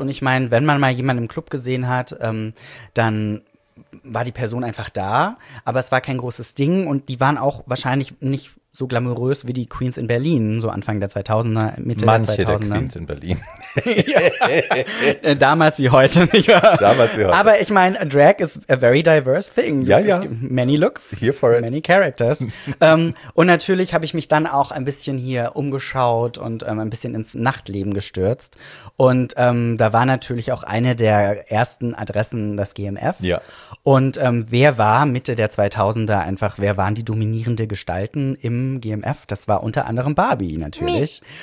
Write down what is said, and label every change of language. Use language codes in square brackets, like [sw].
[de] Und ich meine, wenn man mal jemanden im Club gesehen hat, dann war die Person einfach da. Aber es war kein großes Ding. Und die waren auch wahrscheinlich nicht so glamourös wie die Queens in Berlin, so Anfang der 2000er, Mitte Manche der 2000er. Manche der Queens in Berlin. Damals wie heute, nicht wahr? Damals wie heute. Aber ich meine, [en] Drag is a very diverse thing. [de] Ja, ja. Es gibt [en] many looks, here for it. Many characters. [de] Und natürlich habe ich mich dann auch ein bisschen hier umgeschaut und ein bisschen ins Nachtleben gestürzt. Und da war natürlich auch eine der ersten Adressen das GMF. Ja. Und wer war Mitte der 2000er einfach, wer waren die dominierende Gestalten im GMF, das war unter anderem Barbie natürlich.